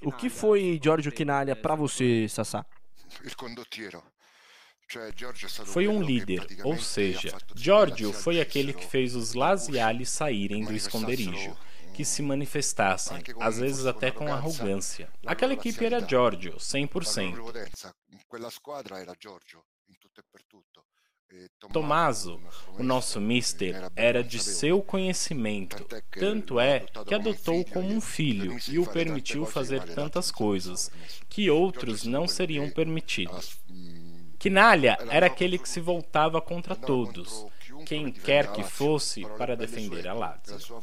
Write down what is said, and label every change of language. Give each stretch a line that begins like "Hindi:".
Portuguese: O que foi Giorgio Chinaglia para você, Sassá?
Italian: Il condottiero. Cioè,
Portuguese: Giorgio
Italian: è stato
Portuguese: foi un leader, ou seja, Giorgio foi aquele que fez os Laziali saírem do esconderijo, que se manifestassem, às vezes até com arrogância. Aquela equipe era Giorgio, 100%.
Italian: Quella squadra era Giorgio in tutto e per tutto.
Portuguese: Tommaso, o nosso mister, era de seu conhecimento, tanto é que adotou-o como um filho e o permitiu fazer tantas coisas que outros não seriam permitidos. Chinaglia era aquele que se voltava contra todos, quem quer que fosse, para defender a Lazio.